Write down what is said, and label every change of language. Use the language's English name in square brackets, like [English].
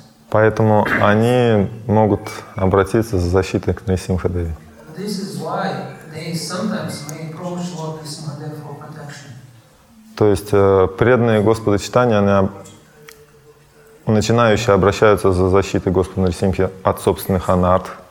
[Russian] Поэтому они могут обратиться за защитой к Нарисимхадеве. [English] This is why they sometimes may approach Lord Vishnudev for protection. [Russian] То есть преданные Господу Чайтанья, они начинающие обращаются за защитой Господа Нарсимхи от собственных анарт.